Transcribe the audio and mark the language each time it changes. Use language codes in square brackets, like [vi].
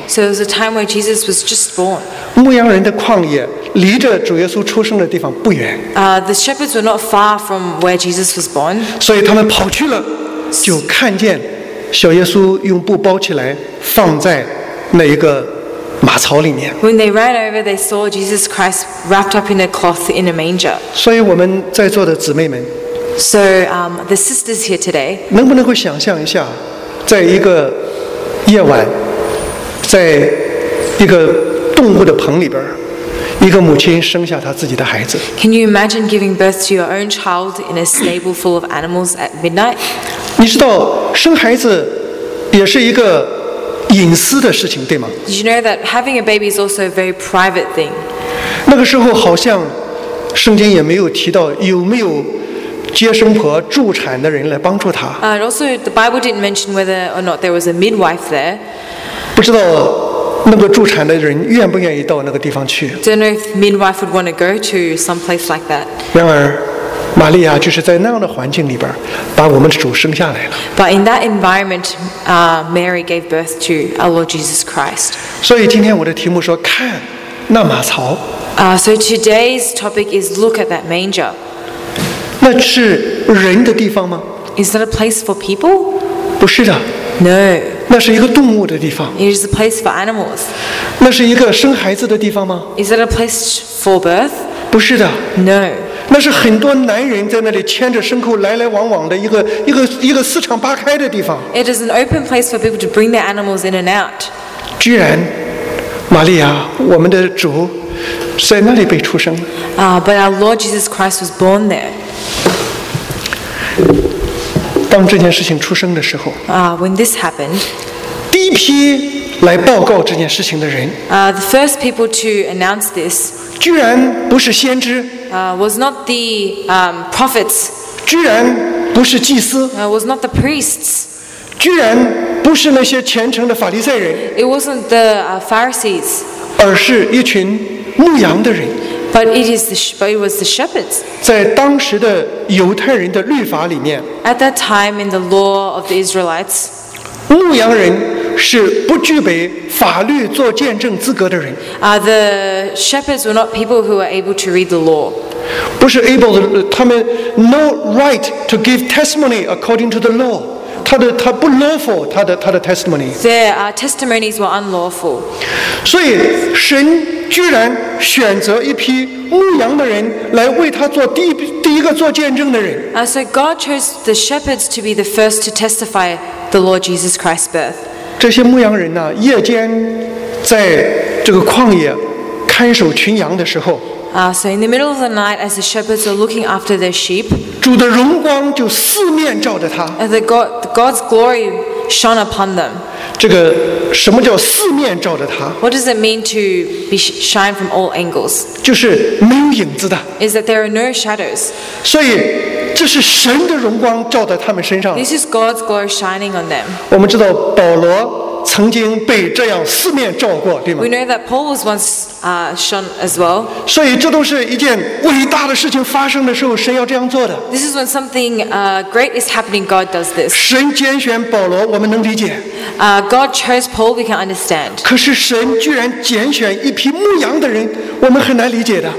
[en] So it was a time where Jesus was just born。 [zh] 牧羊人的旷野离着主耶稣出生的地方不远。 [en] The shepherds were not far from where Jesus was born。 [zh] 所以他们跑去了，就看见小耶稣用布包起来放在那一个。马槽里面。 [en] When they ran over, they saw Jesus Christ wrapped up in a cloth in a manger. [zh] 所以我们在座的姊妹们 [en] ，So the sisters here today， [zh] 能不能够想象一下，在一个夜晚，在一个动物的棚里边，一个母亲生下她自己的孩子 [en] ？Can you imagine giving birth to your own child in a stable full of animals at midnight？ [zh] 你知道生孩子也是一个。隐私的事情，对吗 [en] ？You know that having a baby is also a very private thing. [zh] 那个时候好像圣经也没有提到有没有接生婆、助产的人来帮助他。 [en] And also, the Bible didn't mention whether or not there was a midwife there. [zh] 不知道那个助产的人愿不愿意到那个地方去 [en] ？Don't know if midwife would want to go to some place like that. [zh] 然而。玛利亚就是在那样的环境里边，把我们的主生下来了。 [en] But in that environment, Mary gave birth to our Lord Jesus Christ. [zh] 所以今天我的题目说，看那马槽。 [en] So today's topic is look at that manger. [zh] 那是人的地方吗 [en] ？Is that a place for people? [zh] 不是的。 [en] No. [zh] 那是一个动物的地方。 [en] It is a place for animals. [zh] 那是一个生孩子的地方吗 [en] ？Is that a place for birth? [zh] 不是的。 [en] No. [zh] 那是很多男人在那里牵着牲口来来往往的一个四长八开的地方。 [en] It is an open place for people to bring their animals in and out. [zh] 居然，玛利亚，我们的主，在那里被出生。 [en] But our Lord Jesus Christ was born there. [zh] 当这件事情出生的时候。 [en] When this happened. [zh] 第一批来报告这件事情的人。 [en] The first people to announce this. [zh] 居然不是先知。 [en] Was not the prophets. [zh] 居然不是祭司。 [en] Was not the priests. [zh] 居然不是那些虔诚的法利赛人。 [en] It wasn't the Pharisees. [zh] 而是一群牧羊的人。 [en] But it was the shepherds. [zh] 在当时的犹太人的律法里面。 [en] At that time in the law of the Israelites. [zh] 牧羊人是不具备法律做见证资格的人。 [en] The shepherds were not people who were able to read the law. [zh] 不是 [en] able [zh] 的，他们 [en] no right to give testimony according to the law. [zh] 他不 lawful 他的 testimony. [en] Their testimonies were unlawful. [zh] 所以神居然选择一批牧羊的人来为他做第一个做见证的人。 [en] So God chose the shepherds to be the first to testify the Lord Jesus Christ's birth. [zh] 这些牧羊人呢，夜间在这个旷野看守群羊的时候。 [en] So in the middle of the night, as the shepherds are looking after their sheep. [zh] 主的荣光就四面照着他。 [en] God's glory shone upon them. [zh] 这个什么叫四面照着他？ [en] What does it mean to be shine from all angles? [zh] 就是没有影子的。 [en] Is that there are no shadows? [zh] 所以这是神的荣光照在他们身上。 [en] This is God's glory shining on them. [zh] 我们知道保罗曾经被这样四面照过，对吗？ [en] We know that Paul was once shone as well. [zh] 所以这都是一件伟大的事情发生的时候，神要这样做的。 [en] This is when something great is happening. God does this. [zh] 神拣选保罗，我们能理解。 [en] God chose Paul. We can understand. [zh] 可是神居然拣选一批牧羊的人，我们很难理解的。